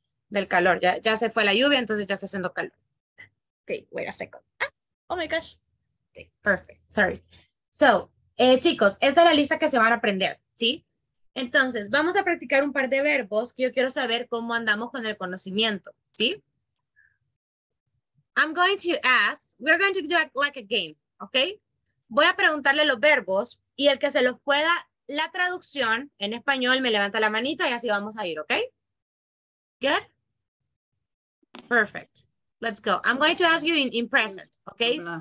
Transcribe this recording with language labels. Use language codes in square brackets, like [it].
[es] Del calor, ya se fue la lluvia, entonces ya está haciendo calor. [en] Ok, wait a second. Ah, oh my gosh. Ok, perfect, sorry. [es] So, chicos, esta es la lista que se van a aprender, ¿sí? Entonces, vamos a practicar un par de verbos que yo quiero saber cómo andamos con el conocimiento, ¿sí? [en] I'm going to ask, we're going to do like a game, ¿ok? [es] Voy a preguntarle los verbos y el que se los pueda la traducción en español me levanta la manita y así vamos a ir, ¿ok? [en] Good? Perfect. Let's go. I'm going to ask you in present, ¿ok?